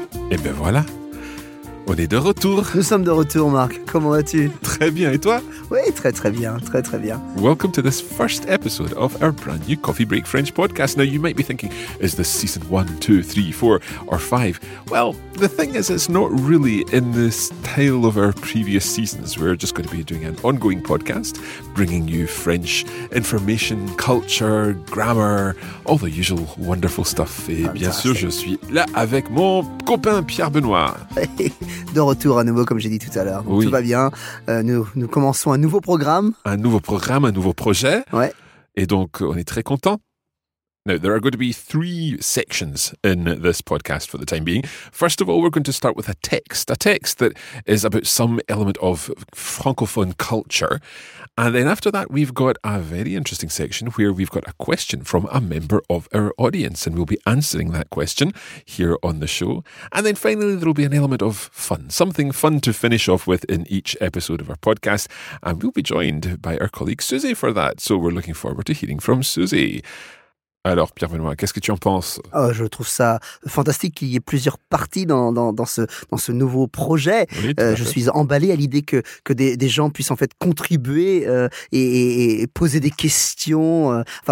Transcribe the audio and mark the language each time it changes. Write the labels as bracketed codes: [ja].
[fr] Et ben voilà, on est de retour. Nous sommes de retour, Marc. Comment vas-tu? Très bien, et toi? Oui, très très bien. [en] Welcome to this first episode of our brand new Coffee Break French podcast. Now, you might be thinking, is this season 1, 2, 3, 4, or 5? Well, the thing is, it's not really in the style of our previous seasons. We're just going to be doing an ongoing podcast, bringing you French information, culture, grammar, all the usual wonderful stuff. [fr] Et [en] fantastic. [fr] Bien sûr, je suis là avec mon copain Pierre Benoît. De retour à nouveau, comme j'ai dit tout à l'heure. Oui. Tout va bien. Nous commençons un nouveau programme. Un nouveau programme, un nouveau projet. Ouais. Et donc, on est très contents. [en] Now, there are going to be 3 sections in this podcast for the time being. First of all, we're going to start with a text that is about some element of francophone culture. And then after that, we've got a very interesting section where we've got a question from a member of our audience, and we'll be answering that question here on the show. And then finally, there'll be an element of fun, something fun to finish off with in each episode of our podcast. And we'll be joined by our colleague Susie for that. So we're looking forward to hearing from Susie. [fr] Alors, Pierre Benoît, qu'est-ce que tu en penses? Oh, je trouve ça fantastique qu'il y ait plusieurs parties dans ce nouveau projet. Oui, je suis emballé à l'idée que des gens puissent en fait contribuer et poser des questions.